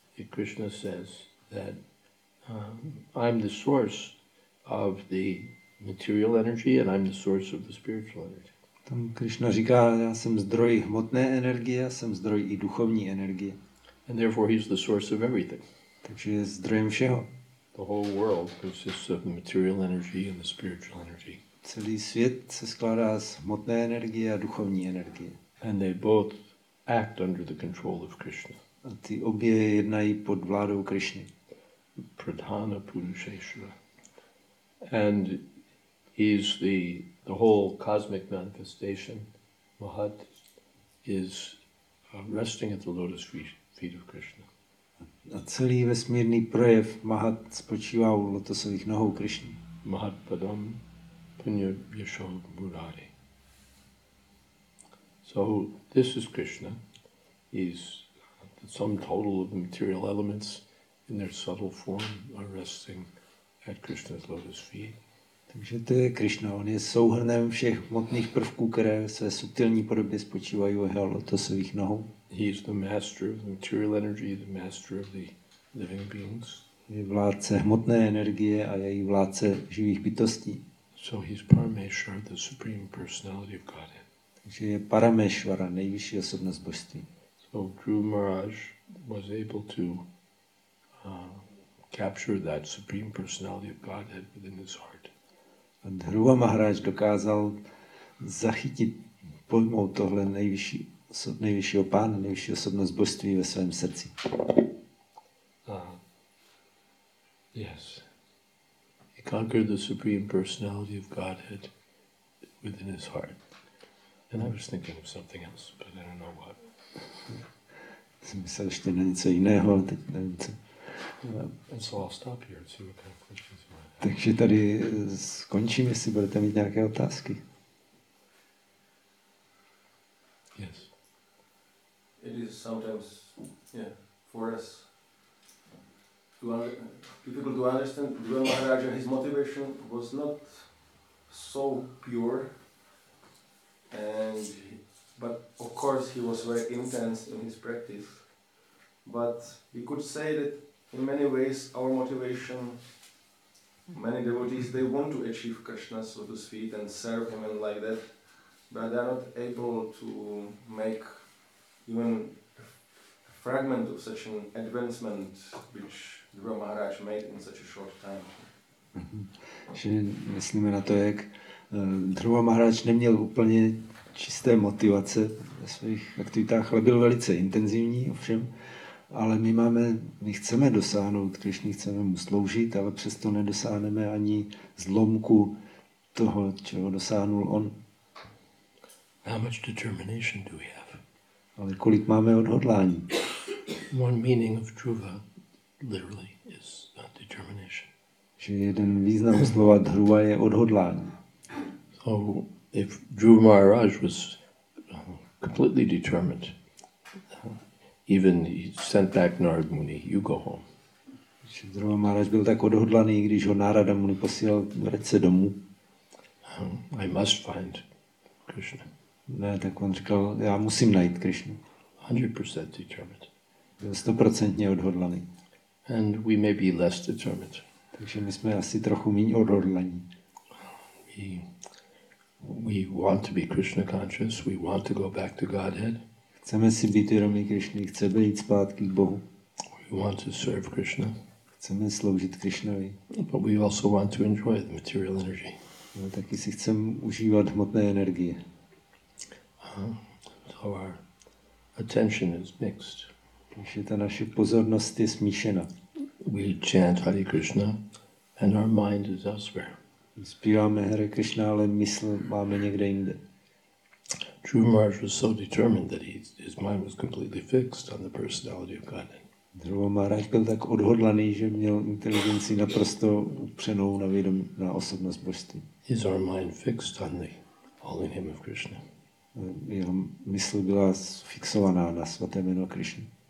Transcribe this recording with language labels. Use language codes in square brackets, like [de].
[en] Krishna says that I'm the source of the material energy and I'm the source of the spiritual energy. [cs] Tam Krishna říká, já jsem zdroj hmotné energie, jsem zdroj i duchovní energie. [en] And therefore he's the source of everything. [cs] Takže je zdrojem všeho. [en] The whole world consists of the material energy and the spiritual energy. [cs] Celý svět se skládá z hmotné energie a duchovní energie. [en] And they both act under the control of Krishna. [cs] A ty obě jednají pod vládou Krishny. [sa] Pradhana Purusheshvara. [en] And he's the whole cosmic manifestation, Mahat, is resting at the lotus feet of Krishna. [cs] A celý vesmírný projev Mahat spočívá u lotosových nohou Krishny. [sa] Mahat Padam Punya Yasho Murari. [en] So this is Krishna. He's the sum total of the material elements in their subtle form are resting at Krishna's lotus feet. [cs] Takže to je Krishna, on je souhrnem všech hmotných prvků, které své subtilní podobě spočívají u jeho lotosových nohou. [en] He is the master of the material energy, the master of the living beings. [cs] Je vládce hmotné energie a její vládce živých bytostí. [en] So he's Parameshvara, the supreme personality of Godhead. [cs] Takže je Parameshvara, nejvyšší osobnost božství. [en] So Dhruva Maharaj was able to capture that supreme personality of Godhead within his heart. [cs] A Dhruva Maharaj dokázal zachytit, pojmout tohle nejvyššího pána, nejvyšší osobnost božství ve svém srdci. [en] Yes. He conquered the supreme personality of Godhead within his heart. And I was thinking of something else, but I don't know what. [cs] Jsem myslel ještě na něco jiného, ale teď nevím co. [en] And so I'll stop here and see what kind of questions you might have. [cs] Takže tady skončím, jestli budete mít nějaké otázky. [en] Yes. It is sometimes, yeah, for us, people do understand, Dhruva Maharaj, his motivation was not so pure, but of course he was very intense in his practice, but we could say that in many ways, our motivation, many devotees, they want to achieve Krishna, so to speak, and serve him and like that, but they are not able to make even a fragment of such an advancement which Dhruva Maharaj made in such a short time. [cs] Že myslíme na to, jak Dhruva Maharaj neměl úplně čisté motivace ve svých aktivitách, ale byl velice intenzivní, ovšem. Ale my chceme dosáhnout Krišny, chceme mu sloužit, ale přesto nedosáhneme ani zlomku toho, čeho dosáhnul on. [en] How much determination do we have? [cs] Ale kolik máme odhodlání? [en] One meaning of dhruva literally is not determination. [cs] Že jeden význam slova dhruva je odhodlání. [en] So if Dhruva Maharaj was completely determined, even he sent back Narada Muni, you go home. [cs] Že Dhruva Maharaj byl tak odhodlaný, když ho Narada Muni posílal, vrať se domů. [en] I must find Krishna. [cs] Ne, tak on říkal, já musím najít Krishna. [en] 100% determined. [cs] Byl 100% odhodlaný. [en] And we may be less determined. [cs] Takže my jsme asi trochu méně odhodlaní. [en] We want to be Krishna conscious, we want to go back to Godhead. [cs] Chceme si být vědomí Krišny, chceme jít zpátky k Bohu. [en] We want to serve Krishna. [cs] Chceme sloužit Krišnovi. [en] But we also want to enjoy the material energy. [cs] No, taky si chceme užívat hmotné energie. [en] So our attention is mixed. [cs] Takže ta naše pozornost je smíšena. [en] We chant Hare Krishna and our mind is elsewhere. [cs] Zpíváme Hare Krishna, ale mysl máme někde jinde. [en] Dhruva Maharaj was so determined that his mind was completely fixed on the personality of Godhead. [cs] Dhruva Maharaj byl tak odhodlaný, že měl inteligenci naprosto upřenou na vědomí, na osobnost božství. [en] Is our mind fixed on the holy name of Krishna? [cs] Jeho mysl byla fixovaná na svaté jméno Krishna.